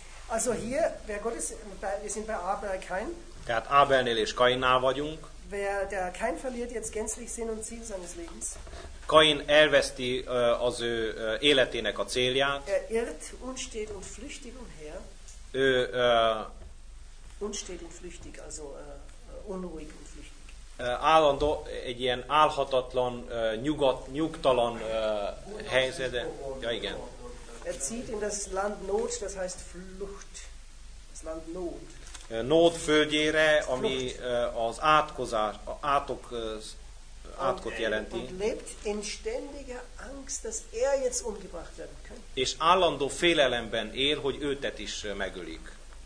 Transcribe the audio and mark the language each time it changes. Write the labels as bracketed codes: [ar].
[de] Also hier, wer Gottes, wir sind bei Abel Kain. [hu] Tehát Abelnél és Kainnál vagyunk. [de] Wer der Kain verliert jetzt gänzlich Sinn und Ziel seines Lebens. [hu] Kain elveszti az ő életének a célját. [de] Er irrt unstet und flüchtig umher. [hu] Ő [de] unstet und flüchtig, also unruhig und flüchtig. [hu] Állandó, egy ilyen álhatatlan, nyugtalan helyzete. Ja, igen. [de] Er zieht in das Land Not, das heißt Flucht. Das Land Not. [hu] Not földjére, ami az átkozás, átkot jelenti. [de] Und lebt in ständiger Angst, dass er jetzt umgebracht werden könnte. [hu] És állandó félelemben él, hogy őtet is megölik.